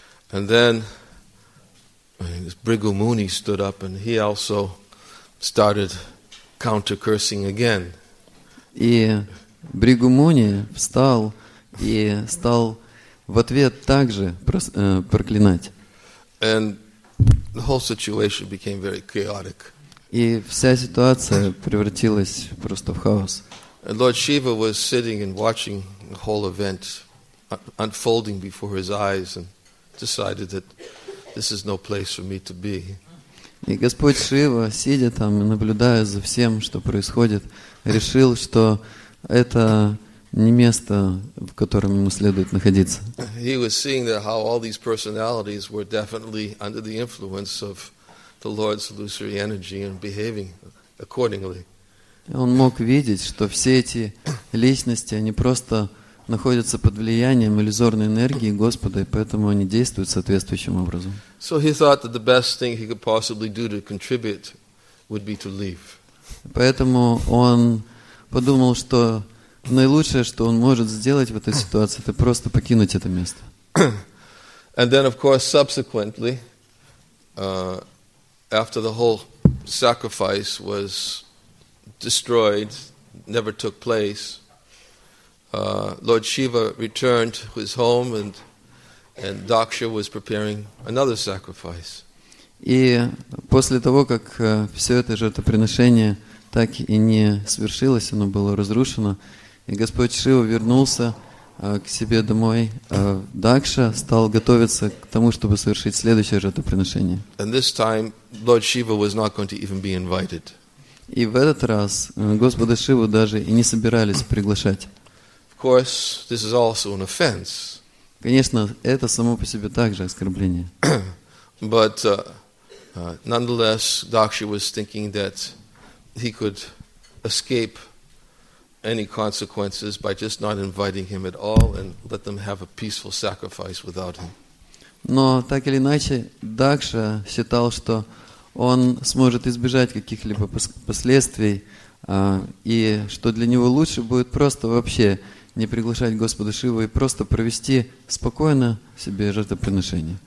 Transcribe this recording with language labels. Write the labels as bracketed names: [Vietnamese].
[English] And then Бригу Муни stood up and he also started counter-cursing again. [Russian] И Бригу Муни встал и стал в ответ также проклинать. [English] And the whole situation became very chaotic. [Russian] И вся ситуация превратилась просто в хаос. [English] And Lord Shiva was sitting and watching the whole event unfolding before his eyes and decided that this is no place for me to be. [Russian] И Господь Шива, сидя там и наблюдая за всем, что происходит, решил, что это не место, в котором ему следует находиться. [English] He was seeing that how all these personalities were definitely under the influence of the Lord's illusory energy and behaving accordingly. [Russian] Он мог видеть, что все эти личности, они просто находятся под влиянием иллюзорной энергии Господа, и поэтому они действуют соответствующим образом. [English] So he thought that the best thing he could possibly do to contribute would be to leave. [Russian] Поэтому он подумал, что наилучшее, что он может сделать в этой ситуации, это просто покинуть это место. [English] And then, of course, subsequently, after the whole sacrifice was destroyed, never took place, Lord Shiva returned to his home and Daksha was preparing another sacrifice. [Russian] И после того, как все это жертвоприношение так и не свершилось, оно было разрушено, и Господь Шива вернулся к себе домой, Дакша стал готовиться к тому, чтобы совершить следующее жертвоприношение. [English] And this time Lord Shiva was not going to even be invited. [Russian] И в этот раз Господа Шиву даже и не собирались приглашать. [English] Of course, this is also an offense. [Russian] Конечно, это само по себе также оскорбление. [English] But nonetheless, Daksha was thinking that he could escape any consequences by just not inviting him at all and let them have a peaceful sacrifice without him. [Russian] Но так или иначе, Дакша считал, что он сможет избежать каких-либо последствий, и что для него лучше будет просто вообще не приглашать Господа Шиву и просто провести спокойно себе жертвоприношение.